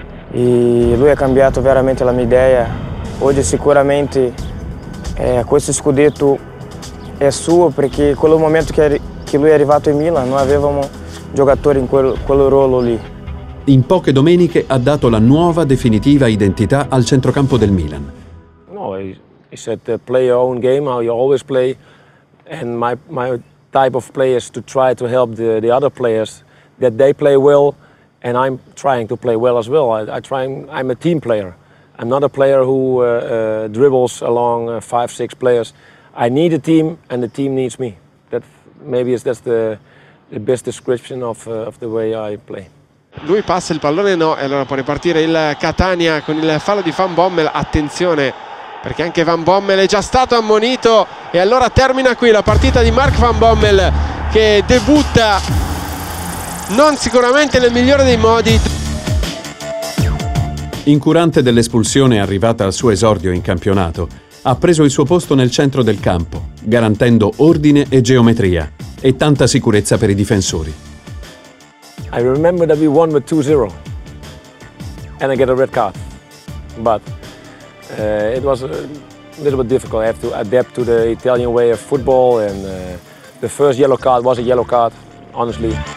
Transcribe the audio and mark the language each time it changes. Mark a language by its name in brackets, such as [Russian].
[Italian] E lui ha cambiato veramente la mia idea. Oggi sicuramente questo scudetto è suo, perché quel momento che lui è arrivato in Milan non avevamo giocatori in quel ruolo lì. In poche domeniche ha dato la nuova definitiva identità al centrocampo del Milan. [English] No, he said play your own game, how you always play, and my type of play is to try to help the other players that they play well, and I'm trying to play well as well. I'm a team player. I'm not a player who dribbles along 5-6 players. I need a team, and the team needs me. That's the best description of the way I play. [Italian] Lui passa il pallone, no, e allora può ripartire il Catania con il fallo di Van Bommel. Attenzione, perché anche Van Bommel è già stato ammonito, e allora termina qui la partita di Mark Van Bommel, che debutta non sicuramente nel migliore dei modi. Incurante dell'espulsione arrivata al suo esordio in campionato, ha preso il suo posto nel centro del campo, garantendo ordine e geometria e tanta sicurezza per i difensori. [English] I remember that we won with 2-0 and I get a red card, but it was a little bit difficult. I have to adapt to the Italian way of football, and the first yellow card was a yellow card, honestly.